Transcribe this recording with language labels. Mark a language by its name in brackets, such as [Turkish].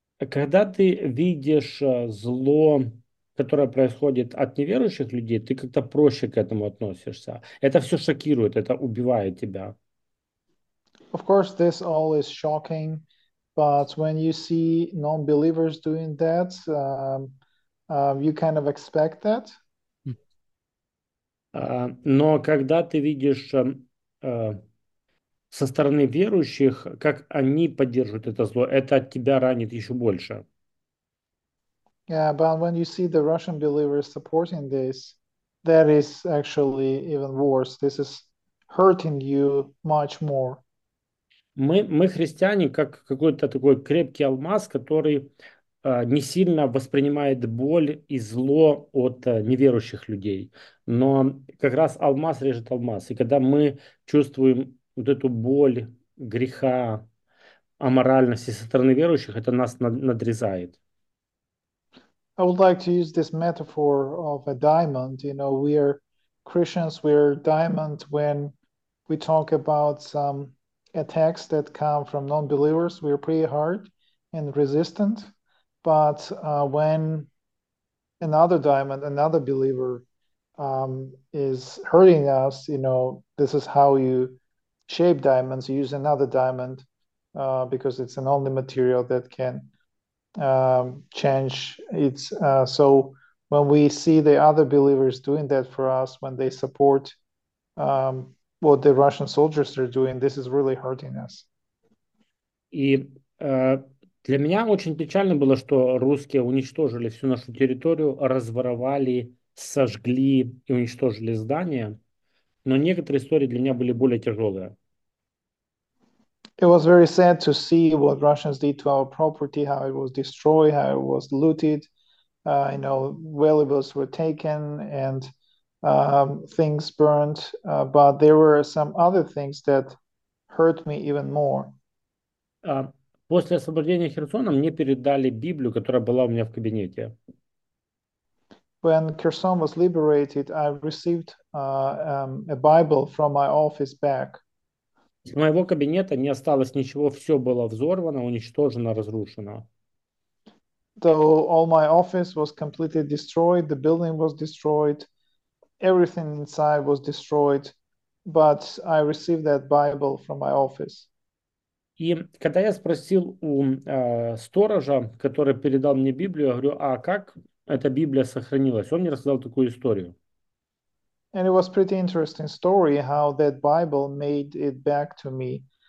[Russian] Когда ты видишь зло, которое происходит от неверующих людей, ты как-то проще к этому относишься. Это все шокирует, это убивает тебя. [English] Of course, this all is shocking, but when you see non-believers doing that, you kind of expect that. [Russian] Но когда ты видишь со стороны верующих, как они поддерживают это зло, это от тебя ранит еще больше. [English] Yeah, but when you see the Russian believers supporting this, that is actually even worse. This is hurting you much more. [Russian] Мы христиане как какой-то такой крепкий алмаз, который не сильно воспринимает боль и зло от неверующих людей. Но как раз алмаз режет алмаз. И когда мы чувствуем вот эту боль, греха, аморальности со стороны верующих, это нас надрезает. [English] I would like to use this metaphor of a diamond. You know, we are Christians, we're diamond. When we talk about some attacks that come from non-believers, we're pretty hard and resistant. But when another diamond, another believer is hurting us, you know, this is how you shape diamonds. You use another diamond because it's an only material that can change. It's so when we see the other believers doing that for us, when they support what the Russian soldiers are doing, this is really hurting us. [Russian] И для меня очень печально было, что русские уничтожили всю нашу территорию, разворовали, сожгли и уничтожили здания. Но некоторые истории для меня были более тяжелые. [English] It was very sad to see what Russians did to our property, how it was destroyed, how it was looted. You know, valuables were taken and things burned. But there were some other things that hurt me even more. [Russian] После освобождения Херсона мне передали Библию, которая была у меня в кабинете. [English] When Kherson was liberated, I received a Bible from my office back. [Russian] Из моего кабинета не осталось ничего, все было взорвано, уничтожено, разрушено. [English] So all my office was completely destroyed, the building was destroyed, everything inside was destroyed, but I received that Bible from my office. [Ukrainian] І коли я спросив у сторожа, который передав мені Біблію, я говорю, а як ця Біблія сохранилась? Він мені розказав таку історію. [English] And it was pretty interesting story how that Bible made it back to me.